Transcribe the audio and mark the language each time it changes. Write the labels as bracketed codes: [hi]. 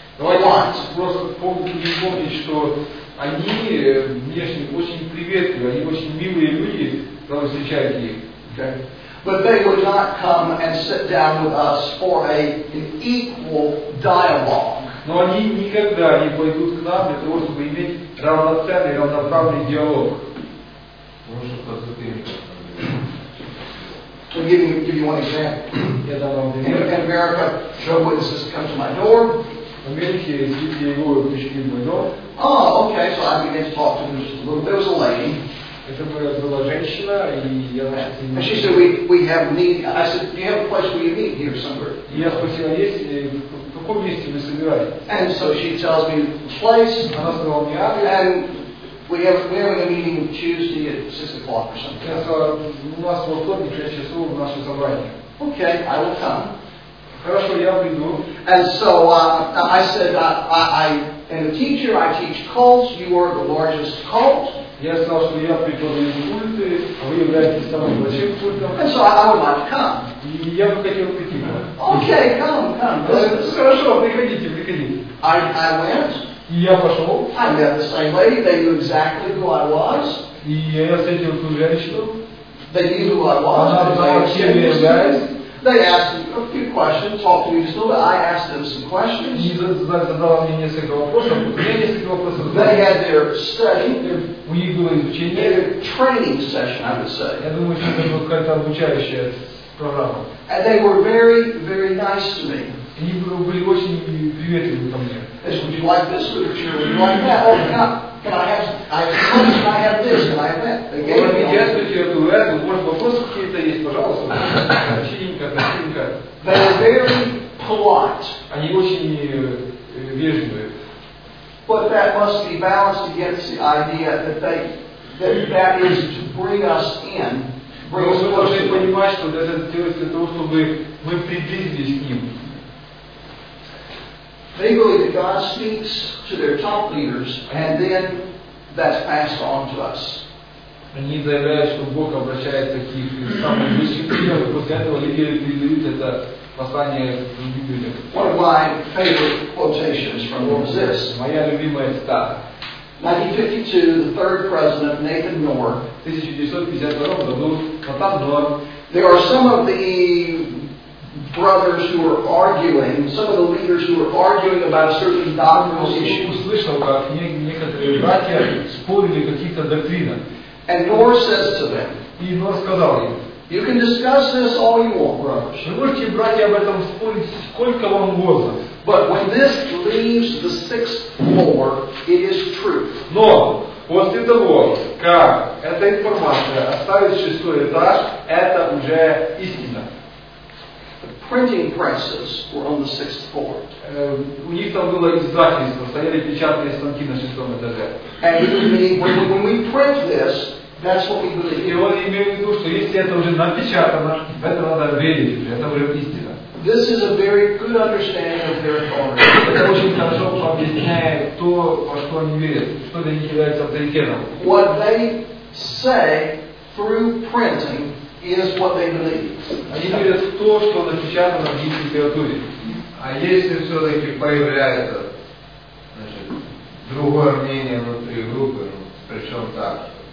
[ru] Давайте просто помнить, что они внешне очень приветливые, они очень милые люди, когда вы встречаете их. [en] Okay. But they would not come and sit down with us for an equal dialogue. [ru] Но они никогда не пойдут к нам для того, чтобы иметь равноценный, равноправный диалог. Можно поступить. [en] So give you one example. [ru] Я дам вам пример. [en] In America, Joe Witnesses come to my door. [ru] В Америке люди его пришли в мой дом. [en] Oh, okay. So I begin to talk to him. There was a lady. [ru] Это была женщина, и я начал. [en] She said, "We have need." I said, "Do you have a place where you meet here somewhere?" [ru] Я спросил, есть в каком месте мы собираемся. [en] And so she tells me the place. [ru] Она сказала мне адрес. [en] And we have a meeting Tuesday at 6 o'clock or something. [ru] Я сказал, у нас во вторник 6 часов наше собрание. [en] Okay, I will come. [ru] Хорошо, я приду. [en] And so I said, I am a teacher. I teach cults. You are the largest cult. [ru] Я сказал, что я преподаю культы, а вы являетесь самым большим культом. [en] And so I would like to come. [ru] И я бы хотел прийти. [en] Okay, come. [ru] Хорошо, приходите. [en] I went. [ru] И я пошел. [en] I met the same lady. They knew exactly who I was. [ru] И я встретил ту женщину. [en] They knew who I was. [ru] Она знала, чем я являюсь. [en] They asked me a few questions, talked to me just a little bit. I asked them some questions. [ru] И задала мне несколько вопросов. Мне несколько вопросов. [en] They had their study. [ru] У них было изучение. [en] Their training session, I would say. [ru] Я думаю, что это была какая-то обучающая программа. [en] And they were very, very nice to me. [ru] Они были очень приветливы ко мне. [en] They said, would you like this literature? Would you like that? Oh, They believe that God speaks to their top leaders, and then that's passed on to us. [ru] Они заявляют, что Бог обращается к их самым высшим лидерам, и после этого лидеры передают это послание другим людям. [en] One of my favorite quotations from him is this. [ru] Моя любимая цитата. [en] 1952, the third president, Nathan Knorr. [ru] 1952 году. [en] There are some of the brothers who are arguing, some of the leaders who are arguing about certain doctrinal issues. [ru] Слышал, как некоторые братья спорили какие-то доктрины. [en] And Knorr says to them, [ru] и Нор сказал им, [en] you can discuss this all you want, brothers. [ru] Вы можете, братья, об этом спорить сколько вам угодно. [en] But when this leaves the sixth floor, it is truth. [ru] Но после того, как эта информация оставит шестой этаж, это уже истина. [en] Printing presses were on the sixth floor. [ru] У них там было издательство, стояли печатные станки на шестом этаже. [en] And when we print this, that's what we believe. [ru] И он имел в виду, что если это уже напечатано, в это надо верить, это уже истина. [en] This is a very good understanding of their authority. [ru] Это очень хорошо объясняет то, во что они верят, что для них является авторитетом. [en] What they say through printing is what they believe. [ru] Они верят в то, что напечатано в их литературе. А если все-таки появляется, значит, другое мнение внутри группы, ну, причем так.